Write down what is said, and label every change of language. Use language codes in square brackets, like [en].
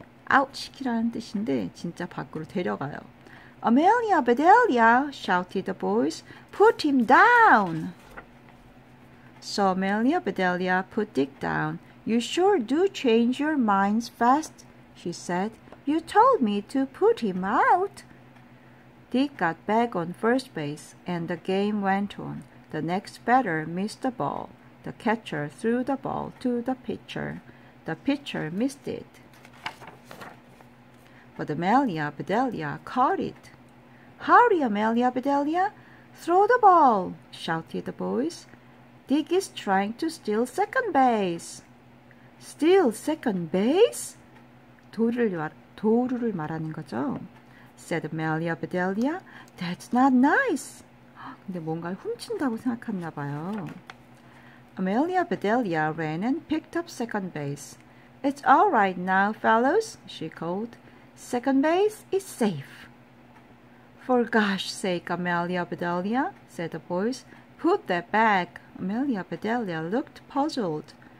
[ko] Out 시키라는 뜻인데 진짜 밖으로 데려가요. [en] Amelia Bedelia, shouted the boys, put him down. So Amelia Bedelia put Dick down. You sure do change your minds fast, she said. You told me to put him out. Dick got back on first base, and the game went on. The next batter missed the ball. The catcher threw the ball to the pitcher. The pitcher missed it. But Amelia Bedelia caught it. Hurry, Amelia Bedelia, throw the ball, shouted the boys. Dick is trying to steal second base. Steal second base? [ko] 도우를 말하는 거죠. [en] Said Amelia Bedelia, that's not nice. [ko] 근데 뭔가를 훔친다고 생각했나 봐요. [en] Amelia Bedelia ran and picked up second base. It's all right now, fellows, she called. Second base is safe. For gosh's sake, Amelia Bedelia, said the boys. Put that back. Amelia Bedelia looked puzzled.